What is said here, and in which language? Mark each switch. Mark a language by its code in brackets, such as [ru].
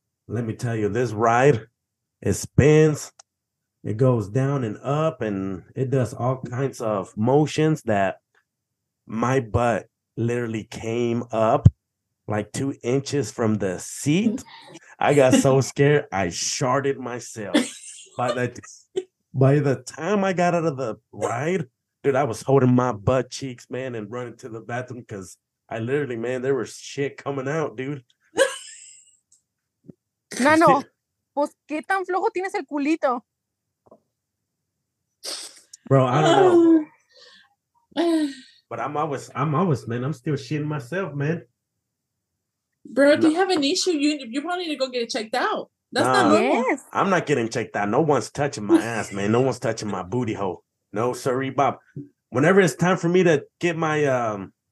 [en] Let me tell you, this ride, it spins, it goes down and up, and it does all kinds of motions that my butt literally came up like 2 inches from the seat. I got so scared, I sharted myself. By the time I got out of the ride, dude, I was holding my butt cheeks, man, and running to the bathroom because I literally, man, there was shit coming out, dude. [es] Mano, pues, ¿qué tan flojo tienes el culito? [en] Bro, I don't know. But I'm always, man, I'm still shitting myself, man. Bro, do you have an issue? You probably need to go get it checked out. That's not normal. I'm not getting checked out. No one's touching my ass, man. No one's touching my booty hole. No, sorry, Bob. Whenever it's time for me to get my